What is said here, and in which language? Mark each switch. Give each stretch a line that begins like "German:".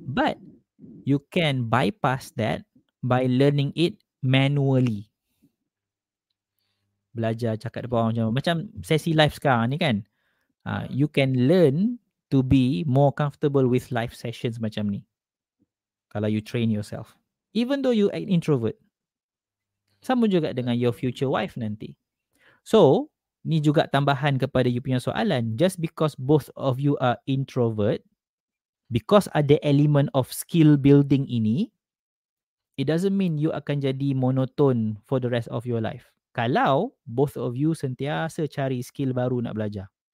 English: But, you can bypass that by learning it manually.
Malay: Belajar cakap depan orang macam sesi live sekarang ni kan.
English: You can learn to be more comfortable with live sessions
Malay: macam ni.
English: Kalau you train yourself. Even though you an introvert.
Malay: Sama juga dengan
English: your future wife
Malay: nanti. So, ni juga tambahan kepada you punya soalan.
English: Just because both of you are introvert, because ada element of skill building ini, it doesn't mean you
Malay: akan jadi
English: monotone for the rest of your life.
Malay: Kalau
English: both of you
Malay: sentiasa cari skill baru nak belajar.